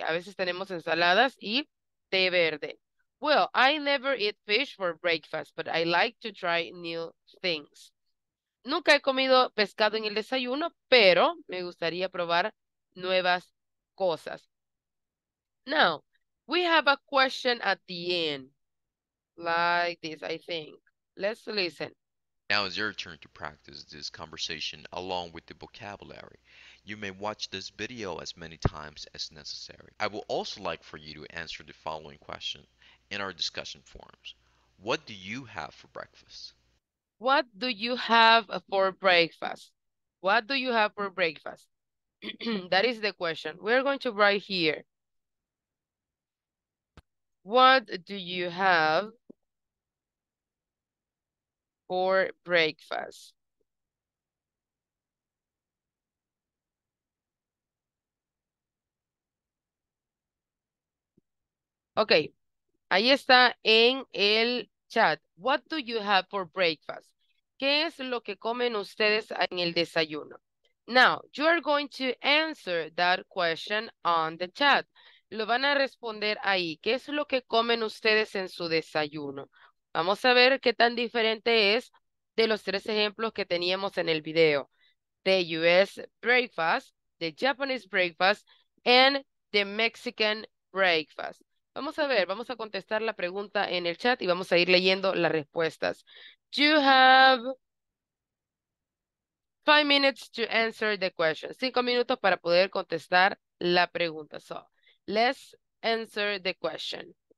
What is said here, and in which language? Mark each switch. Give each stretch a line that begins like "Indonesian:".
Spanish: A veces tenemos ensaladas y té verde.
English: Well, I never eat fish for breakfast, but I like to try new things.
Spanish: Nunca he comido pescado en el desayuno, pero me gustaría probar nuevas cosas.
English: Now, we have a question at the end, like this, I think. Let's listen. Now it's your turn to practice this conversation along with the vocabulary. You may watch this video as many times as necessary. I would also like for you to answer the following question in our discussion forums. What do you have for breakfast? What do you have for breakfast? What do you have for breakfast? That is the question. We're going to write here. What do you have for breakfast?
Spanish: Okay, ahí está en el chat.
English: What do you have for breakfast?
Spanish: ¿Qué es lo que comen ustedes en el desayuno?
English: Now, you are going to answer that question on the chat.
Spanish: Lo van a responder ahí. ¿Qué es lo que comen ustedes en su desayuno? Vamos a ver qué tan diferente es de los tres ejemplos que teníamos en el video.
English: The US breakfast, the Japanese breakfast, and the Mexican breakfast.
Spanish: Vamos a ver, vamos a contestar la pregunta en el chat y vamos a ir leyendo las respuestas.
English: You have 5 minutes to answer the question.
Spanish: 5 minutos para poder contestar la pregunta.
English: So, let's answer the question.